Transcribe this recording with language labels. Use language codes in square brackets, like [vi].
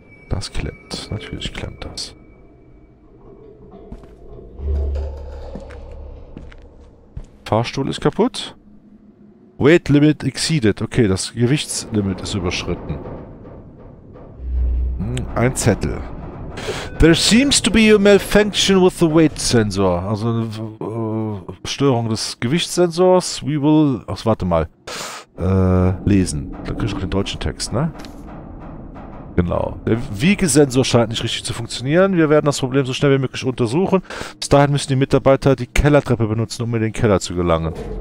[de] Das klemmt. Natürlich klemmt das. Fahrstuhl ist kaputt. [en] Weight Limit exceeded. [de] Okay, das Gewichtslimit ist überschritten. Ein Zettel. [en] There seems to be a malfunction with the weight sensor. [de] Also eine Störung des Gewichtssensors. [en] We will... [de] Ach, warte mal. Lesen. Da kriegst du auch den deutschen Text, ne? Genau. Der Wiegesensor scheint nicht richtig zu funktionieren. Wir werden das Problem so schnell wie möglich untersuchen. Bis dahin müssen die Mitarbeiter die Kellertreppe benutzen, um in den Keller zu gelangen.